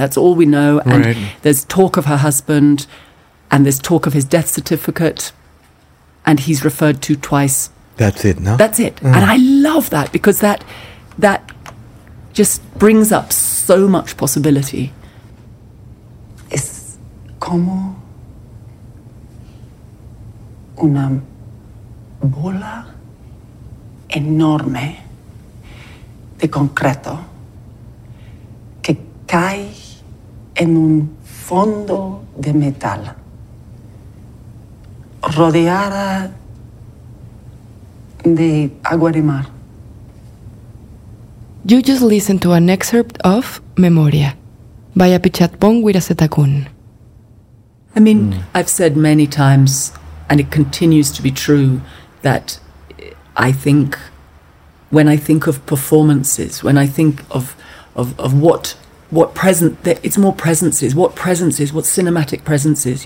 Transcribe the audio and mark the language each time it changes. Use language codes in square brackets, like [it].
[en] That's all we know. Right. And there's talk of her husband, and there's talk of his death certificate, and he's referred to twice. That's it, no? That's it. Mm. And I love that, because that that just brings up so much possibility. [es] It's como una bola enorme de concreto que cae en un fondo de metal, rodeada de agua de mar. [en] You just listened to an excerpt of Memoria by Apichatpong Weerasethakul. I mean, I've said many times, and it continues to be true, that I think, when I think of performances, when I think of what present, it's more presences, what presences, what cinematic presences.